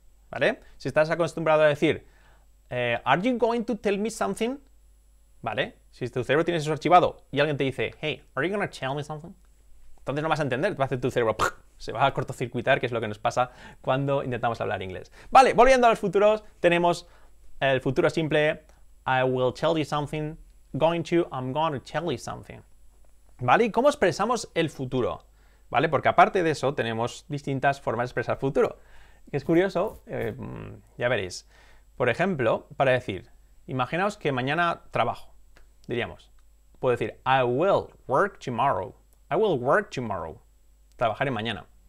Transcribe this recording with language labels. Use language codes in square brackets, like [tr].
[es] ¿Vale? Si estás acostumbrado a decir, are you going to tell me something? ¿Vale? Si tu cerebro tienes eso archivado y alguien te dice, hey, are you going to tell me something? Entonces no vas a entender, te va a hacer tu cerebro, ¡puff! Se va a cortocircuitar, que es lo que nos pasa cuando intentamos hablar inglés. Vale, volviendo a los futuros, tenemos el futuro simple. [en] I will tell you something, going to, I'm going to tell you something. [es] ¿Vale? ¿Y cómo expresamos el futuro? ¿Vale? Porque aparte de eso, tenemos distintas formas de expresar futuro. Es curioso, ya veréis. Por ejemplo, para decir, imaginaos que mañana trabajo, diríamos. Puedo decir, [en] I will work tomorrow. I will work tomorrow. [es] Trabajaré mañana.